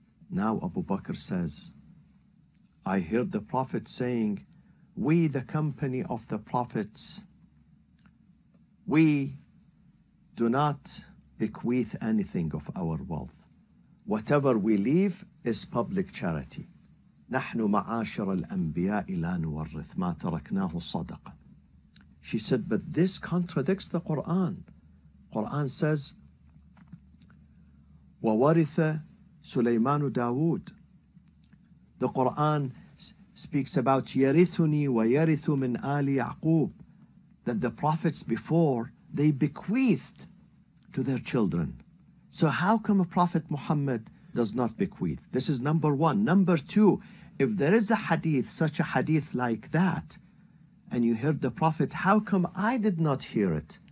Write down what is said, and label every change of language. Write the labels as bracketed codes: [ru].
[en] Now Abu Bakr says, I heard the Prophet saying, we the company of the Prophets, we do not bequeath anything of our wealth. Whatever we leave is public charity. [ar] نحن معاشر الأنبياء لا نورث ما تركناه صدقة. [en] She said, but this contradicts the Quran. Quran says, [ar] وورث سليمان داود. [en] The Quran speaks about [ar] يرثني ويرث من آل يعقوب. [en] That the prophets before, they bequeathed to their children. So how come a prophet Muhammad does not bequeath? This is number one. Number two, if there is a hadith, such a hadith like that, and you heard the Prophet, how come I did not hear it?